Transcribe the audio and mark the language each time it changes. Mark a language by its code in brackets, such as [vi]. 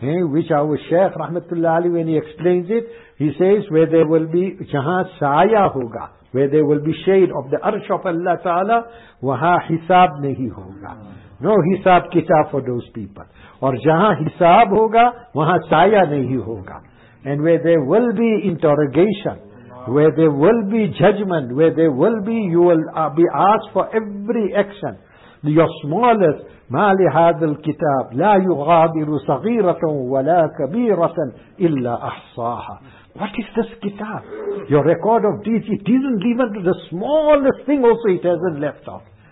[en] Which our Shaykh Rahmatullah Ali, when he explains it, he says, where there will be, [ur] jaha saaya hoga, [en] where there will be shade of the arsh of Allah Ta'ala, [ur] waha hisab nahi hoga. No hisab kitab [en] for those people. [ur] Or jaha hisab hoga, waha saaya nahi hoga. [en] And where there will be interrogation, where there will be judgment, where there will be, you will be asked for every action. Your smallest, [ar] مَا لِهَذَا الْكِتَابِ لَا يُغَادِرُ صَغِيرَةً وَلَا كَبِيرَةً إِلَّا أَحْصَاهَا. [en] What is this kitab? Your record of deeds, it isn't even the smallest thing also, it hasn't left off.